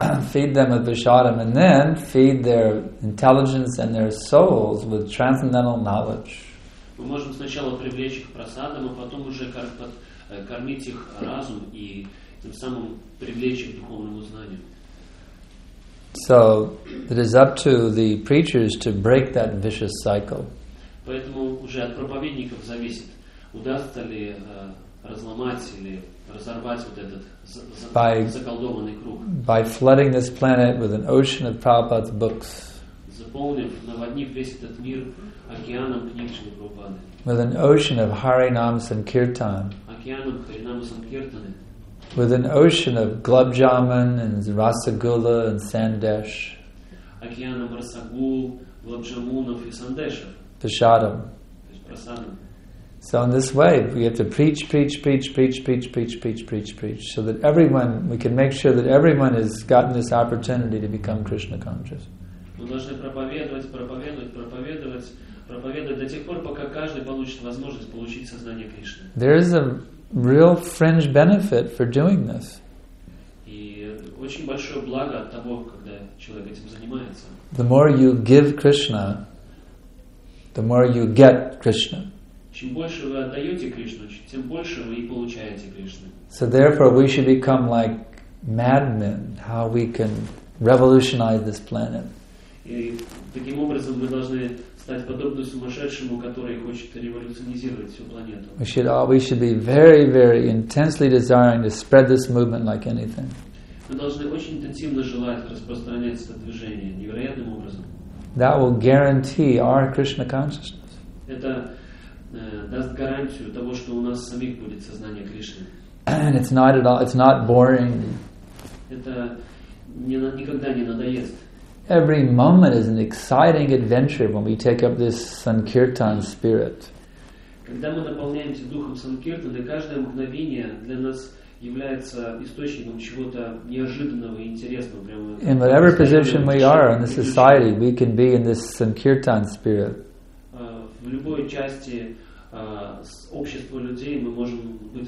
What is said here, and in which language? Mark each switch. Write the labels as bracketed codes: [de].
[en] Feed them with prasadam and then feed their intelligence and their souls with transcendental knowledge. [ru] Мы можем сначала привлечь их прасадом, а потом уже кормить их разум и тем самым привлечь их к духовному знанию. [en] So it is up to the preachers to break that vicious cycle. [ru] Поэтому уже от проповедников зависит, удастся ли разломать или разорвать вот этот заколдованный круг. [en] By flooding this planet with an ocean of Prabhupada's books. [ru] Заполнив, наводнив весь этот мир океаном книг Шрилы Прабхупады. [en] With an ocean of Харинам Санкиртан. [ru] Океаном Харинама Санкиртаны. [en] With an ocean of Gulab Jamun and Rasagula and Sandesh. [ru] Океаном Расагул, Gulab Jamunов и Сандеша. [en] Prasadam. So in this way, we have to preach, so that everyone, we can make sure that everyone has gotten this opportunity to become Krishna conscious. [ru] Мы должны проповедовать до тех пор, пока каждый получит возможность получить сознание Кришны. [en] There is a real fringe benefit for doing this. [ru] И очень большое благо от того, когда человек этим занимается. [en] The more you give Krishna, the more you get Krishna. [ru] Чем больше вы отдаете Кришну, тем больше вы и получаете Кришну. [en] So therefore we should become like madmen, how we can revolutionize this planet. [ru] И таким образом мы должны стать подобным сумасшедшему, который хочет революционизировать всю планету. [en] We should be very, very intensely desiring to spread this movement like anything. [ru] Мы должны очень интенсивно желать распространять это движение невероятным образом. [en] That will guarantee our Krishna consciousness. [ru] Это даст гарантию того, что у нас самих будет сознание Кришны. [en] And it's not at all, it's not boring. [ru] Это никогда не надоест. [en] Every moment is an exciting adventure when we take up this Sankirtan spirit. [ru] Когда мы наполняемся духом Санкиртаны, каждое мгновение для нас является источником чего-то неожиданного и интересного. Прямо [en] in whatever position we are in the society, we can be in this Sankirtan spirit. [ru] В любой части общества людей мы можем быть.